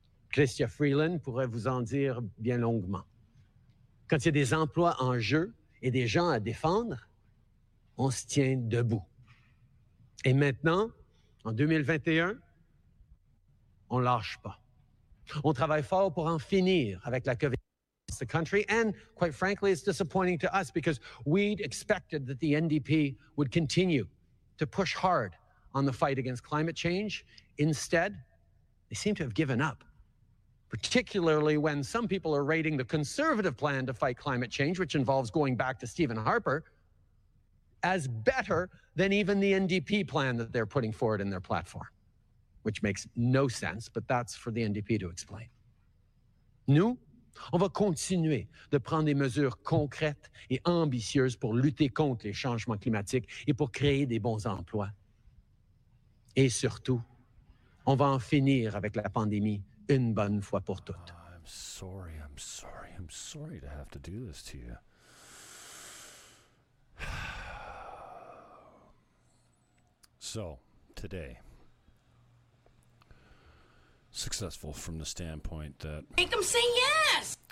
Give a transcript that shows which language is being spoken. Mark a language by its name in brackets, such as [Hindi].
[French] Chrystia Freeland pourrait vous en dire bien longuement. Quand il y a des emplois en jeu et des gens à défendre, on se tient debout. Et maintenant, en 2021, on lâche pas. On travaille fort pour en finir avec la COVID-19. [English] across the country. And quite frankly, it's disappointing to us because we'd expected that the NDP would continue to push hard on the fight against climate change. Instead, they seem to have given up, particularly when some people are rating the conservative plan to fight climate change, which involves going back to Stephen Harper, as better than even the NDP plan that they're putting forward in their platform, which makes no sense, but that's for the NDP to explain. [French] Nous, on va continuer de prendre des mesures concrètes et ambitieuses pour lutter contre les changements climatiques et pour créer des bons emplois. Et surtout, on va en finir avec la pandémie une bonne fois pour toutes. [English] I'm sorry to have to do this to you. So, today, successful from the standpoint that... Make them say yes!